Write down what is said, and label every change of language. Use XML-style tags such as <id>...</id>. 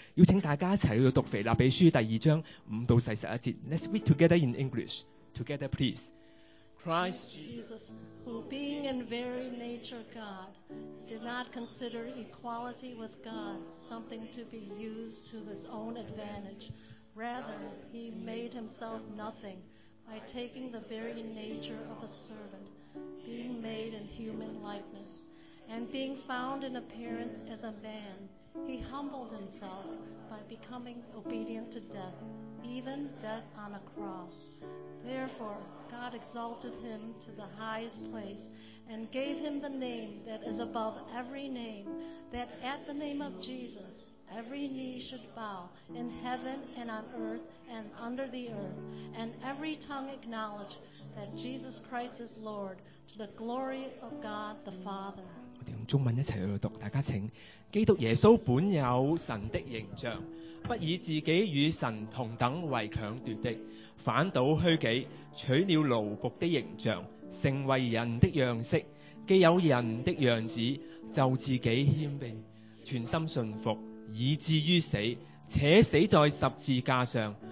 <zh>邀请大家一起去读腓立比书第二章五到四十一节。</zh> <en>Let's read together in English. Together, please. Christ Jesus, who being in very nature God, did not consider equality with God something to be used to his own advantage. Rather, he made himself nothing by taking the very nature of a servant, being made in human likeness, and being found in appearance as a man, he humbled himself by becoming obedient to death. Even death on a cross. Therefore, God exalted him to the highest place and gave him the name that is above every name, that at the name of Jesus, every knee should bow in heaven and on earth and under the earth, and every tongue acknowledge that Jesus Christ is Lord to the glory of God the Father.</en> <zh>我们用中文一起去读，大家请。基督耶稣本有神的形象，不以自己与神同等为强夺的，反倒虚己，取了奴仆的形象，成为人的样式，既有人的样子，就自己谦卑，全心顺服，以至于死，且死在十字架上。</zh>